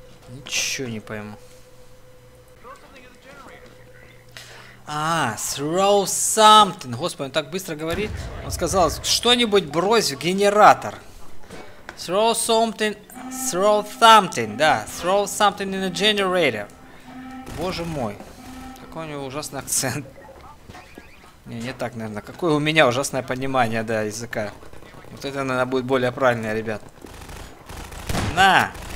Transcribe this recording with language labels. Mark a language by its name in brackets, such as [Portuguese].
[Russian] Ничего не пойму. [English] А, throw something. [Russian] Господи, он так быстро говорит. Он сказал, что-нибудь брось в генератор. [English] Throw something, да, throw something in a generator. [Russian] Боже мой, какой у него ужасный акцент. Не так, наверное, какое у меня ужасное понимание, да, языка. Вот это, наверное, будет более правильное, ребят. На!